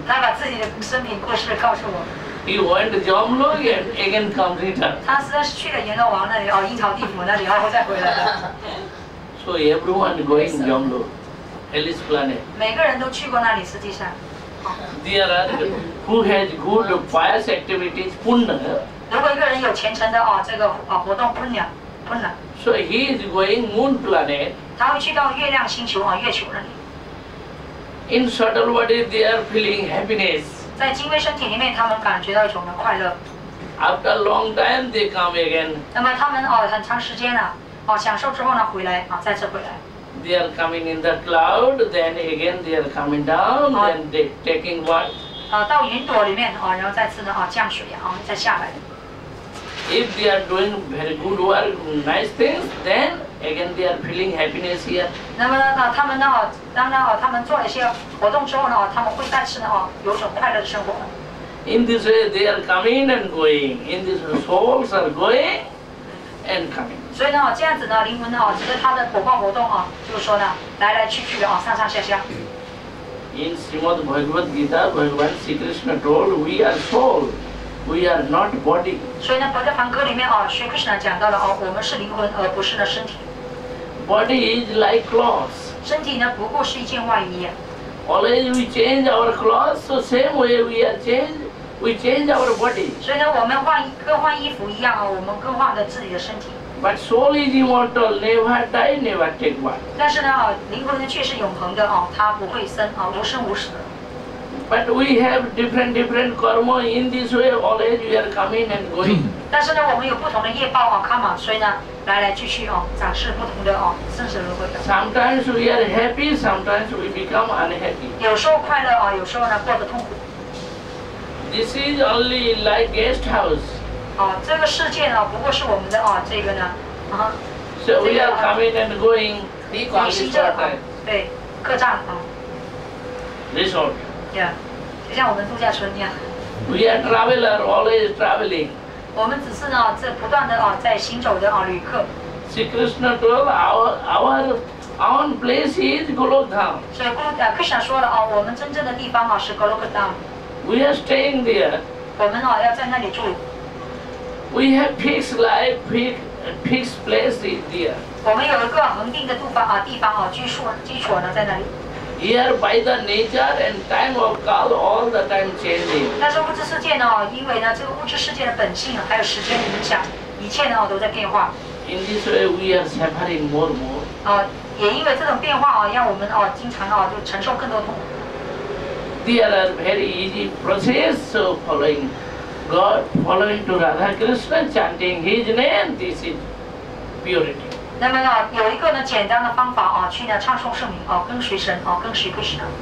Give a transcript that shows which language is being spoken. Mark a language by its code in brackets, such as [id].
[zh] 他把自己的生命故事告诉我。 [en] He went Jamlok and again come return. [zh] 他实在是去了阎罗王那里，哦，阴曹地府那里，然后再回来了。 [en] So everyone going Jamlok, Hellish planet. [zh] 每个人都去过那里，实际上。 [en] There are who has good pious activities, punna. [zh] 如果一个人有虔诚的啊，这个啊活动punna, punna. [en] So he is going moon planet. [zh] 他会去到月亮星球啊，月球那里。 [en] In subtle body, they are feeling happiness. [zh] 在精微身体里面，他们感觉到一种的快乐。 [en] After long time, they come again. [zh] 那么他们啊，很长时间了啊，享受之后呢，回来啊，再次回来。 [en] They are coming in the cloud, then again they are coming down, then they taking what? [zh] 到云朵里面啊，然后再次呢啊降水啊，再下来。 [en] If they are doing very good work, nice things, then again they are feeling happiness here. [zh] 那么呢，他们呢，当然他们做了一些活动之后呢，他们会再次呢啊，有种快乐的生活。 [en] In this way, they are coming and going. In this way, souls are going and coming. [zh] 所以呢，这样子呢，灵魂呢，只是他的火爆活动啊，就是说呢，来来去去啊，上上下下。 [en] In Srimad Bhagavad Gita, Bhagavan Sri Krishna told, "We are soul, we are not body." [zh] 所以呢，《佛教梵歌》里面啊，Sri Krishna 讲到了啊，我们是灵魂，而不是呢身体。 [en] Body is like clothes. [zh] 身体呢，不过是一件外衣。 [en] Always we change our clothes, so same way we are changed, we change our body. [zh] 所以呢，我们换更换衣服一样啊，我们更换了自己的身体。 [en] But soul is immortal, never die, never take one. [zh] 但是呢，灵魂呢却是永恒的啊，它不会生啊，无生无死。 [en] But we have different karma in this way. Always we are coming and going. [zh] 但是呢，我们有不同的业报啊 ，karma， 所以呢，来来去去啊，展示不同的啊，生死轮回的。 [en] Sometimes we are happy, sometimes we become unhappy. [zh] 有时候快乐啊，有时候呢过得痛苦。 [en] This is only like guest house. [zh] 哦，这个世界呢，不过是我们的哦，这个呢，啊，这个。 [en] So we are coming and going. [zh] 旅馆是这个，对，客栈啊。 [en] Resort. Yeah, [zh] 就像我们度假村一样。 [en] We are traveler, always traveling. [zh] 我们只是呢，这不断的啊，在行走的啊，旅客。 [en] Sri Krishna told our own place is Golokdham. [zh] 所以Krishna说了啊，我们真正的地方啊是Golokdham。 [en] We are staying there. [zh] 我们啊要在那里住。 [en] We have fixed life, fixed place there. [zh] 我们有一个恒定的地方啊，居处呢在那里。 [en] Here by the nature and time of God, all the time changing. [zh] 但是物质世界呢，因为呢这个物质世界的本性还有时间影响，一切呢都在变化。 [en] In this way, we are suffering more and more. [zh] 也因为这种变化啊，让我们啊经常啊就承受更多痛苦。 [en] There are very easy process of following. God following to Radha Krishna, chanting His name. This is purity. [zh] 那么呢，有一个呢简单的方法啊，去呢唱诵圣名啊，跟随神啊，跟随 Krishna.